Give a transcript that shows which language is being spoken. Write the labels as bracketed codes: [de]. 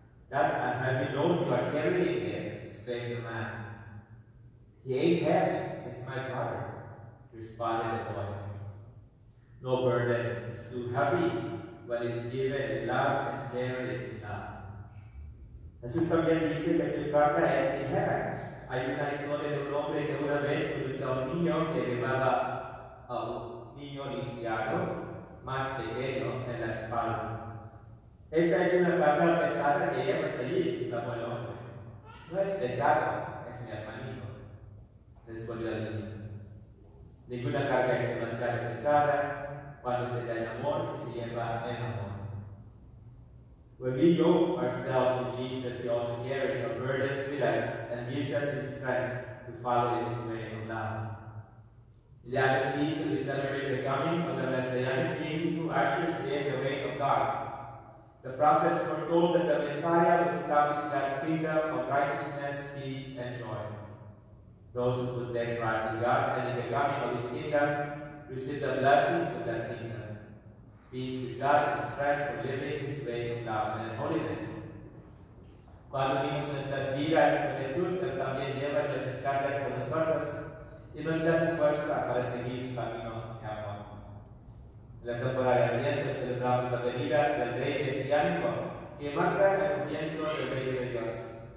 [en] "That's a heavy load you are carrying here," explained the man. "He ain't heavy, it's my brother," responded the boy. "No burden is too heavy when it's given in love and carried in love." [es] Jesús también dice que su carga es ligera. Hay una historia de un hombre que una vez cruzó a un niño que llevaba a un niño lisiado, más pequeño, en la espalda. Esa es una carga pesada que lleva a seguir, exclamó el hombre. "No es pesada, es mi hermanito," respondió el niño. Ninguna carga es demasiado pesada cuando se da el amor y se lleva en amor. [en] When we yoke ourselves to Jesus, He also carries our burdens with us and gives us His strength to follow in His way of love. In the Advent season, we celebrate the coming of the Messianic King who ushers in the reign of God. The prophets foretold that the Messiah would establish God's kingdom of righteousness, peace, and joy. Those who put their trust in God and in the coming of His kingdom receive the blessings of that kingdom. Peace with God and strength for living His way of love and holiness. [es] Cuando unimos nuestras vidas con Jesús, Él también lleva nuestras cargas con nosotros y nos da su fuerza para seguir su camino de amor. En la temporada de Adviento celebramos la venida del Rey Mesiánico, que marca el comienzo del Reino de Dios.